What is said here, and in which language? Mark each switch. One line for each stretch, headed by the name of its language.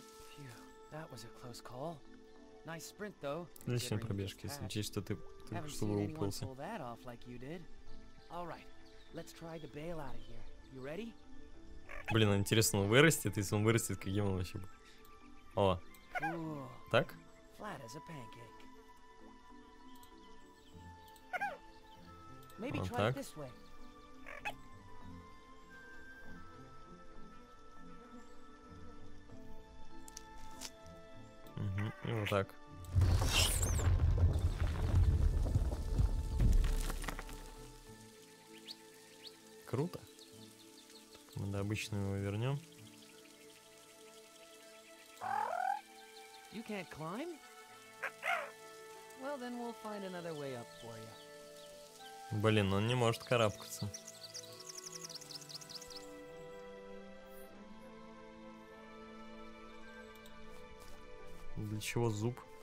English: Phew, that was a close call. Nice sprint, though.
Russian: Отличная пробежка, если учесть, что ты что вылупился.
English: Like right, let's try to bail out of here. You ready?
Russian: Блин, интересно, он вырастет, если он вырастет, каким он вообще будет.
English: О. Cool.
Russian: Так?
English: Flat as a pancake.
Russian: Вот так. Хм. И вот так. Круто. Мы до обычного его вернем.
English: You can't climb? Well, then we'll find another way up for you.
Russian: Блин, он не может карабкаться. Для чего зуб?